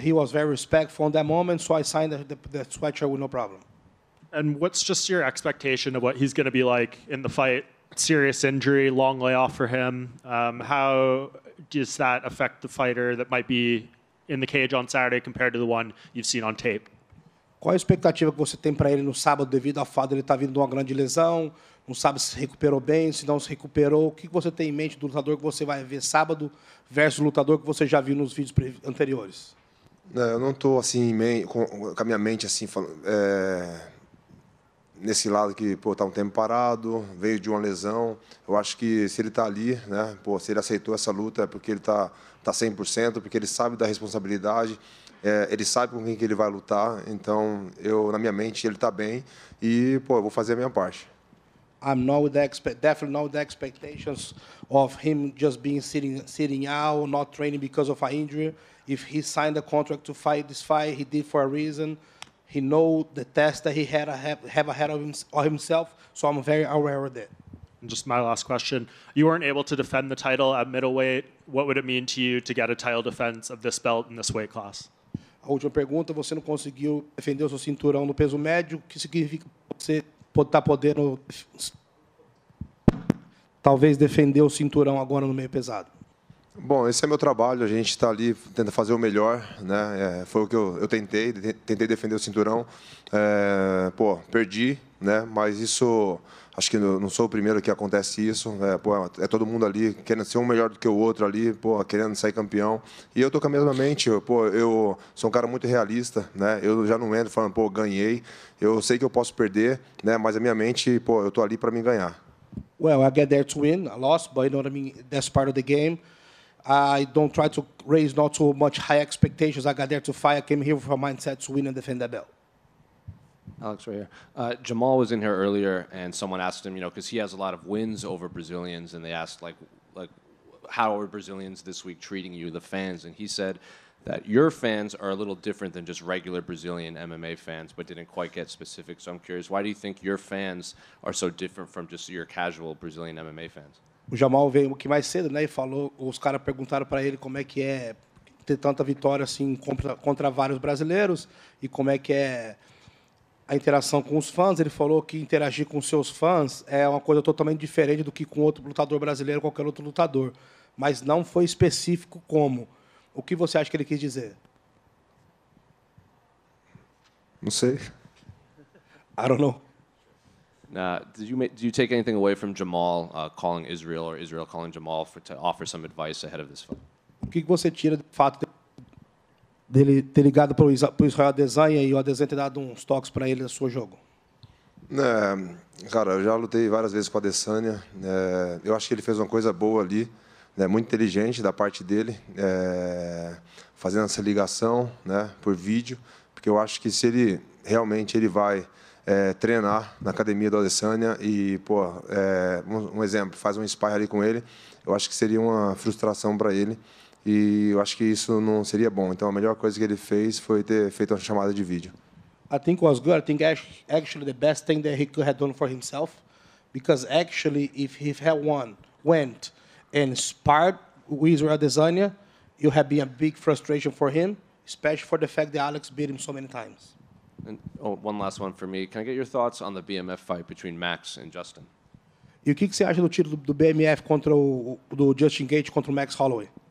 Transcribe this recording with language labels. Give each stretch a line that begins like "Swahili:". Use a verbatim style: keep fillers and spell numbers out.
English: He was very respectful in that moment, so I signed the, the, the sweatshirt with no problem. And what's just your expectation of what he's going to be like in the fight? Serious injury, long layoff for him. Um, how does that affect the fighter that might be in the cage on Saturday compared to the one you've seen on tape?
Portuguese: Qual a expectativa que você tem para ele no sábado devido ao fato de ele estar vindo de uma grande lesão? Não sabe se recuperou bem, se não se recuperou. O que você tem em mente do lutador que você vai ver sábado versus o lutador que você já viu nos vídeos anteriores? Não, eu não estou assim, com a minha mente assim falando. É... Nesse lado que, pô, tá um tempo parado, veio de uma lesão. Eu acho que se ele tá ali, né, pô, se ele aceitou essa luta é porque ele tá, tá cem por cento, porque ele sabe da responsabilidade, é, ele sabe com quem que ele vai lutar. Então, eu, na minha mente, ele tá bem e, pô, eu vou fazer a minha parte.
English: I'm not with the expe- definitely not with the expectations of him just being sitting, sitting out, not training because of an injury. If he signed a contract to fight this fight, he did for a reason. He know the task that he had have ahead of himself, so I'm very aware of that. And just my last question: you weren't able to defend the title at middleweight. What would it mean to you to get a title defense of this belt in this weight class?
Portuguese: A última pergunta: você não conseguiu defender o seu cinturão no peso médio? O que significa você estar podendo talvez defender o cinturão agora no meio pesado? Bom, esse é meu trabalho, a gente está ali, tenta fazer o melhor, né? É, foi o que eu, eu tentei, tentei defender o cinturão, é, pô, perdi, né? Mas isso, acho que não sou o primeiro que acontece isso, é, pô, é todo mundo ali querendo ser um melhor do que o outro ali, pô, querendo sair campeão, e eu tô com a mesma mente, eu, pô, eu sou um cara muito realista, né? Eu já não entro falando, pô, ganhei, eu sei que eu posso perder, né? Mas a minha mente, pô, eu tô ali para me ganhar.
English: Well, I get there to win, I lost, but you know what I mean, that's part of the game. I don't try to raise not so much high expectations. I got there to fight. I came here with a mindset to win and defend that belt. Alex, right here. Uh, Jamal was in here earlier, and someone asked him, you know, because he has a lot of wins over Brazilians, and they asked, like, like, how are Brazilians this week treating you, the fans? And he said that your fans are a little different than just regular Brazilian M M A fans, but didn't quite get specific. So I'm curious, why do you think your fans are so different from just your casual Brazilian M M A fans?
Portuguese: O Jamal veio aqui mais cedo, né, e falou, os caras perguntaram para ele como é que é ter tanta vitória assim contra, contra vários brasileiros e como é que é a interação com os fãs. Ele falou que interagir com seus fãs é uma coisa totalmente diferente do que com outro lutador brasileiro, qualquer outro lutador. Mas não foi específico como. O que você acha que ele quis dizer? Não sei.
English: I don't know. Uh, did you make, do you take anything away from Jamal uh, calling Israel or Israel calling Jamal for, to offer some advice ahead of this fight?
Portuguese: O que você tira do fato dele ter ligado para o Israel Adesanya e o Adesanya ter dado uns toques para ele no seu jogo? É, cara, eu já lutei várias vezes com o Adesanya. É, eu acho que ele fez uma coisa boa ali. Né, muito inteligente da parte dele, é, fazendo essa ligação, né, por vídeo, porque eu acho que se ele realmente ele vai é, treinar na academia do Adesanya e, pô, é, um, um exemplo, faz um sparring ali com ele, eu acho que seria uma frustração para ele e eu acho que isso não seria bom. Então, a melhor coisa que ele fez foi ter feito uma chamada de vídeo.
English: I think it was good. I think actually the best thing that he could have done for himself, because actually if he had won, went, and sparred with Israel Adesanya, you have been a big frustration for him, especially for the fact that Alex beat him so many times. And oh, one last one for me. Can I get your thoughts on the B M F fight between Max and Justin?
Portuguese: E o que que você acha do título do B M F contra o do Justin Gaethje contra o Max Holloway?